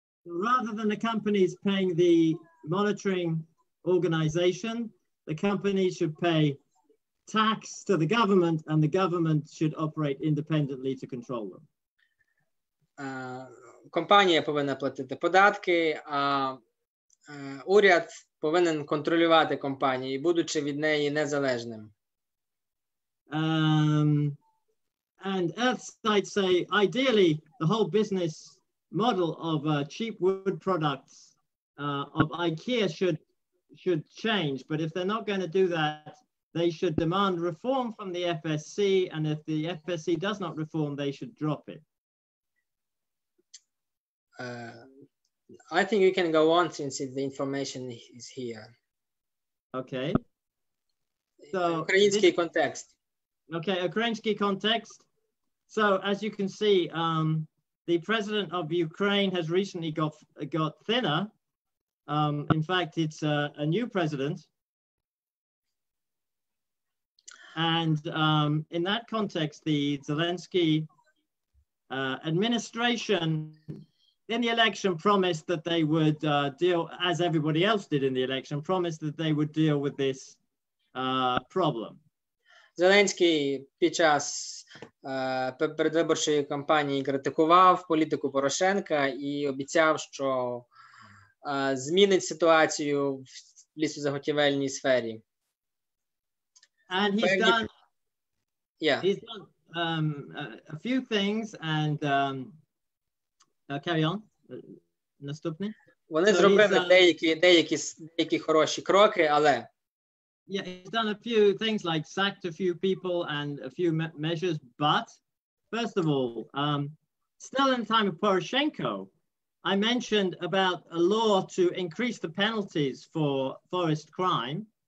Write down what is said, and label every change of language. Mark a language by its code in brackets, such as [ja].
[en] Rather than the companies paying the monitoring organization, the companies should pay tax to the government and the government should operate independently to control them. [uk] Компанія повинна платити податки, а уряд повинен контролювати компанію, будучи від неї незалежним. [en] And Earthsites say, ideally, the whole business model of cheap wood products of IKEA should change. But if they're not going to do that, they should demand reform from the FSC. And if the FSC does not reform, they should drop it. I think we can go on since the information is here. Okay. So, Ukrainsky context. Okay, Ukrainsky context. So, as you can see, the president of Ukraine has recently got thinner. In fact, it's a new president. And in that context, the Zelensky administration in the election promised that they would deal, as everybody else did in the election, promised that they would deal with this problem. [uk] Зеленський під час передвиборчої кампанії критикував політику Порошенка і обіцяв, що змінить ситуацію в лісозаготівельній сфері. [en] And he's done a few things and carry on. [uk] Наступний. Вони зробили деякі хороші кроки, але [en] yeah, he's done a few things like sacked a few people and a few measures. But first of all, still in the time of Poroshenko, I mentioned about a law to increase the penalties for forest crime.